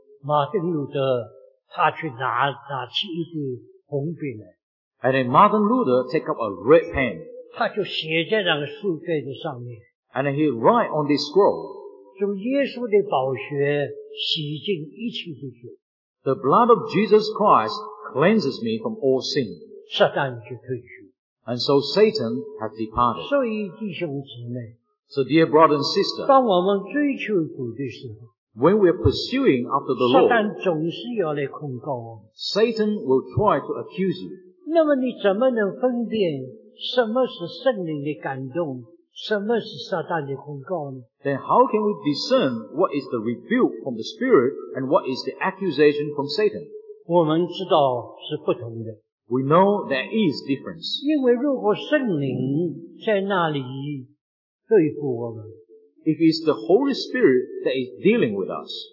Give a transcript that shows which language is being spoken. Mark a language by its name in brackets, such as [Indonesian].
[Chinese] 马丁路德他去拿起一个红笔来。 [English] And then Martin Luther take up a red pen. [Chinese] 他就写在那个书卷上面。 [English] And he write on this scroll. [Chinese] 就耶稣的宝血洗净一切的血。 [English] The blood of Jesus Christ cleanses me from all sin. [Chinese] 撒旦就退去。 [English] And so Satan has departed. [Chinese] 所以弟兄姊妹, [English] so dear brother and sister, [Chinese] 当我们追求主的时候, [English] when we are pursuing after the Lord, [Chinese] 撒旦总是要来控告我们, [English] Satan will try to accuse you. [Chinese] 那么你怎么能分辨什么是圣灵的感动, 什么是撒旦的控告呢? [English] Then how can we discern what is the rebuke from the Spirit and what is the accusation from Satan? [Chinese] 我们知道是不同的。 [English] We know there is difference. [Chinese] 因为如果圣灵在那里对付我们, [English] if it's the Holy Spirit that is dealing with us,